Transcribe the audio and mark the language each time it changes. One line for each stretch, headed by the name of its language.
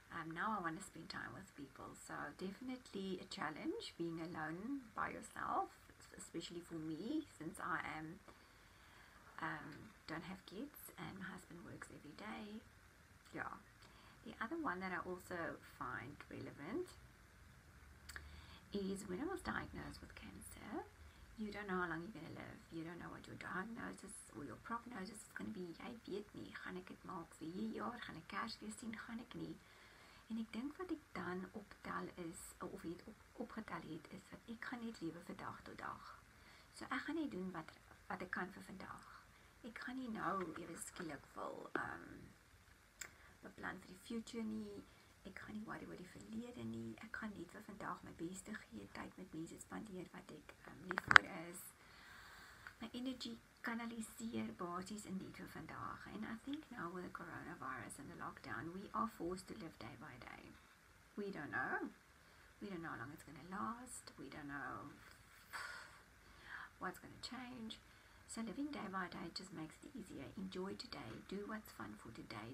English: Now I want to spend time with people. So definitely a challenge being alone by yourself, especially for me, since I am don't have kids and my husband works every day. Yeah. The other one that I also find relevant is when I was diagnosed with cancer, you don't know how long you're going to live. You don't know what your diagnosis or your prognosis is going to be.
Afrikaans: Jy weet nie, gaan ek het maak vir hierdie jaar, gaan ek Kersfees sien, gaan ek nie. En ek dink wat ek dan optel is, of het opgetel het, is dat ek gaan net lewe vir dag tot dag. So ek gaan net doen wat ek kan vir vandag. Ek gaan nie nou ewe skielik wil beplan vir die future nie. Ek gaan nie worry oor die verlede nie. Ek gaan net vir vandag my beste gee, tyd met mense spandeer wat ek lief vir is. My energy kanaliseer basies in die toe vandag.
English: En I think now with the coronavirus and the lockdown, we are forced to live day by day. We don't know. We don't know how long it's going to last. We don't know what's going to change. So living day by day just makes it easier. Enjoy today. Do what's fun for today.